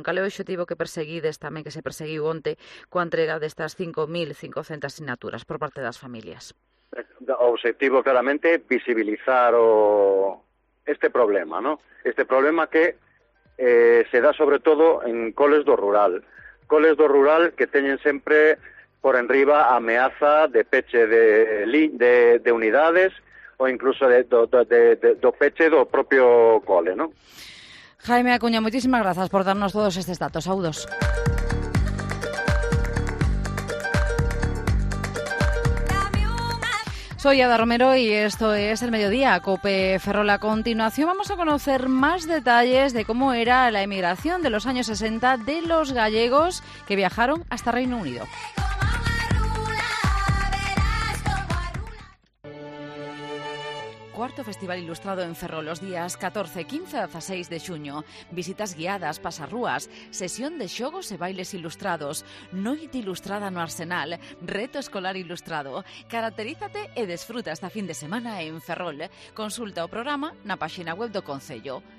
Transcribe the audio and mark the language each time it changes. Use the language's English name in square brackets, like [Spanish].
[Galician] Cal é o obxectivo que perseguides tamén, que se perseguiu onte coa entrega destas 5.500 asignaturas por parte das familias? O obxectivo claramente é visibilizar este problema, non? Este problema que se dá sobre todo en coles do rural que teñen sempre por enriba ameaza de peche de unidades o incluso de peche do propio cole, ¿no? [Spanish] Jaime Acuña, muchísimas gracias por darnos todos estos datos. [Galician] Saudos. [Spanish] Soy Ada Romero y esto es El Mediodía, COPE Ferrol. A continuación vamos a conocer más detalles de cómo era la emigración de los años 60 de los gallegos que viajaron hasta Reino Unido. [Galician] Cuarto Festival Ilustrado en Ferrol, los días 14, 15 a 16 de xuño. Visitas guiadas, pasarrúas, sesión de xogos e bailes ilustrados, noite ilustrada no Arsenal, reto escolar ilustrado. Caracterízate e desfruta esta fin de semana en Ferrol. Consulta o programa na páxina web do Concello.